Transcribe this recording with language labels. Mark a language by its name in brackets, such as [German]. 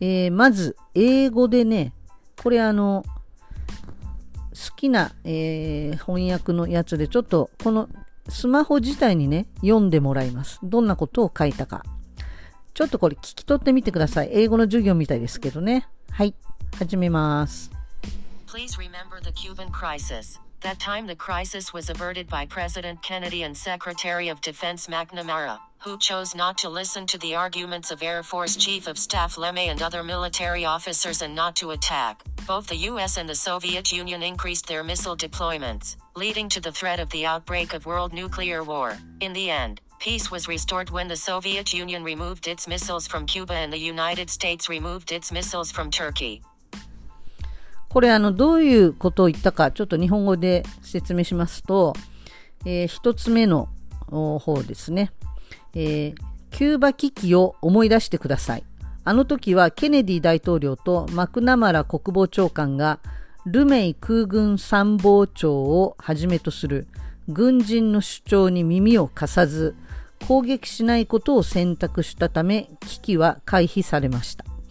[Japanese] まず英語でね、これ好きな、翻訳のやつで、ちょっとこのスマホ自体にね読んでもらいます。どんなことを書いたか、ちょっとこれ聞き取ってみてください。英語の授業みたいですけどね。はい、始めます。 [English] Please remember the Cuban crisis. That time the crisis was averted by President Kennedy and Secretary of Defense McNamara, who chose not to listen to the arguments of Air Force Chief of Staff Lemay and other military officers and not to attack. Both the US and the Soviet Union increased their missile deployments, leading to the threat of the outbreak of world nuclear war. In the end,Peace was restored when the Soviet Union removed its missiles from Cuba and the United States removed its missiles from Turkey. [Japanese] これどういうことを言ったかちょっと日本語で説明しますと、一つ目の方ですね、キューバ危機を思い出してください。あの時はケネディ大統領とマクナマラ国防長官がルメイ空軍参謀長をはじめとする軍人の主張に耳を貸さず攻撃しないことを選択したため危機は回避されました。